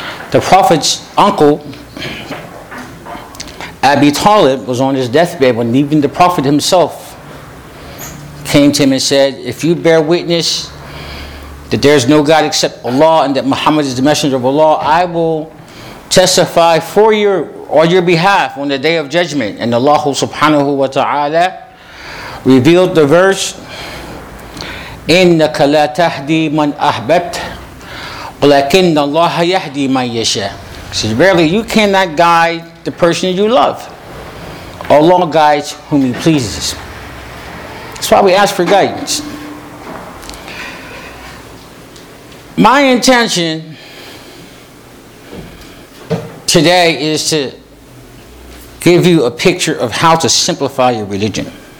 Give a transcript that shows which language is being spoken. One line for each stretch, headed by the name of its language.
English: The Prophet's uncle, Abi Talib, was on his deathbed when even the Prophet himself came to him and said, if you bear witness that there is no God except Allah and that Muhammad is the messenger of Allah, I will testify for you on your behalf on the day of judgment. And Allah subhanahu wa ta'ala revealed the verse,
Arabic: إِنَّكَ لَا تَهْدِي مَنْ أَحْبَبْتْ وَلَكِنَّ اللَّهَ يَهْدِي مَنْ يَشَاءُ.
English: He says, verily, you cannot guide the person you love. Allah guides whom He pleases. That's why we ask for guidance. My intention today is to give you a picture of how to simplify your religion.